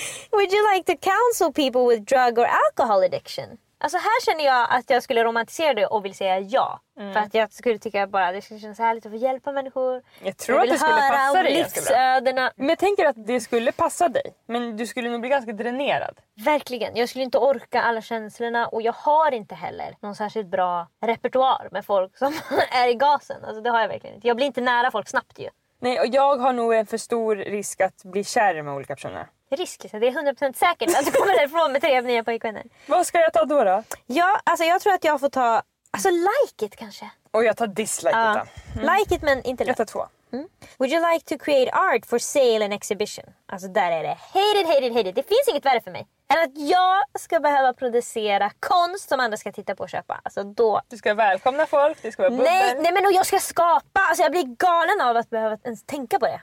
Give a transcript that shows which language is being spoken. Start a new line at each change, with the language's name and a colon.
English: Would you like to counsel people with drug or alcohol addiction?
Swedish: Alltså här känner jag att jag skulle romantisera det och vill säga ja. Mm. För att jag skulle tycka bara att det skulle kännas härligt att få hjälpa människor. Jag tror jag att det skulle passa dig. Livsöderna. Men jag tänker att det skulle passa dig. Men du skulle nog bli ganska dränerad. Verkligen. Jag skulle inte orka alla känslorna. Och jag har inte heller någon särskilt bra repertoar med folk som är i gasen. Alltså det har jag verkligen inte. Jag blir inte nära folk snabbt ju. Nej, och jag har nog en för stor risk att bli kär med olika personer. Risk, så det är 100% säkert att du kommer därifrån med 3 nya pojkvänner. Vad ska jag ta då då? Ja, alltså jag tror att jag får ta, alltså like it kanske. Och jag tar dislike it. Like it men inte love. Jag tar 2. Mm.
English: Would you like to create art for sale and exhibition?
Swedish: Alltså där är det. Hate it, hate it, hate it. Det finns inget värre för mig. Eller att jag ska behöva producera konst som andra ska titta på och köpa. Alltså då... Du ska välkomna folk, du ska vara bubbel. Nej, nej men jag ska skapa. Alltså jag blir galen av att behöva ens tänka på det.